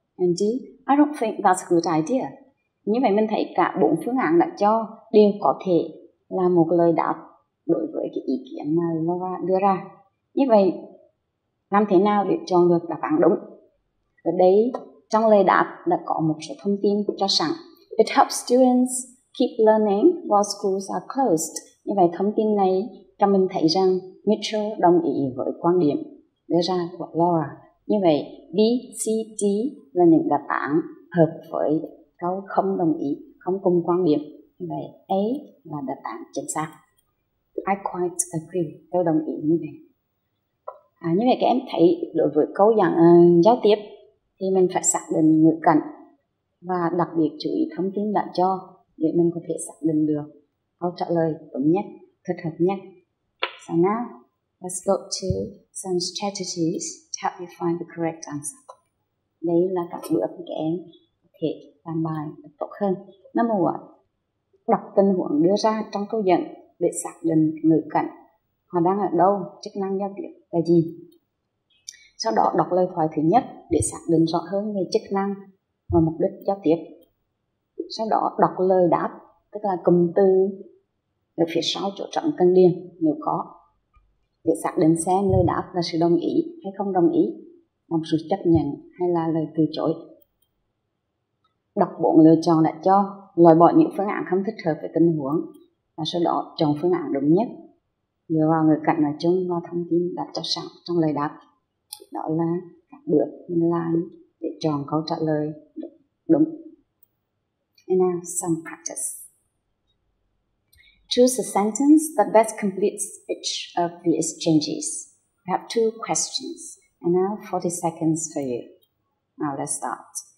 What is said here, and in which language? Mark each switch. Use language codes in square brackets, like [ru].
[en] And D. I don't think that's a good idea. [vi] Như vậy mình thấy cả bốn phương án đã cho đều có thể là một lời đáp đối với cái ý kiến mà Laura đưa ra. Như vậy làm thế nào để chọn được đáp án đúng? Ở đây trong lời đáp đã có một số thông tin cho sẵn. [en] It helps students keep learning while schools are closed. [vi] Như vậy thông tin này cho mình thấy rằng Mitchell đồng ý với quan điểm đưa ra của Laura. Như vậy B, C, D là những đáp án hợp với câu không đồng ý, không cùng quan điểm. Như vậy A là đáp án chính xác. [en] I quite agree. [vi] Tôi đồng ý như vậy. Như vậy các em thấy đối với câu dạng giao tiếp thì mình phải xác định ngữ cảnh và đặc biệt chú ý thông tin đã cho để mình có thể xác định được câu trả lời đúng nhất, thích hợp nhất. [en] So now, let's go to some strategies to help you find the correct answer. [vi] Đây là các bước các em có thể làm bài tốt hơn. [en] Number one, [vi] đọc tình huống đưa ra trong câu dẫn để xác định ngữ cảnh. Họ đang ở đâu, chức năng giao tiếp là gì? Sau đó đọc lời thoại thứ nhất để xác định rõ hơn về chức năng và mục đích giao tiếp. Sau đó đọc lời đáp, tức là cụm từ ở phía sau chỗ trống cần điền nếu có, để xác định xem lời đáp là sự đồng ý hay không đồng ý, một sự chấp nhận hay là lời từ chối. Đọc bốn lựa chọn đã cho, loại bỏ những phương án không thích hợp với tình huống và sau đó chọn phương án đúng nhất dựa vào ngữ cảnh nói chung và thông tin đã cho sẵn trong lời đáp. Đó là các bước mình làm để chọn câu trả lời đúng. [en] And now some practice. Choose a sentence that best completes each of the exchanges. We have two questions and now 40 seconds for you. Now let's start.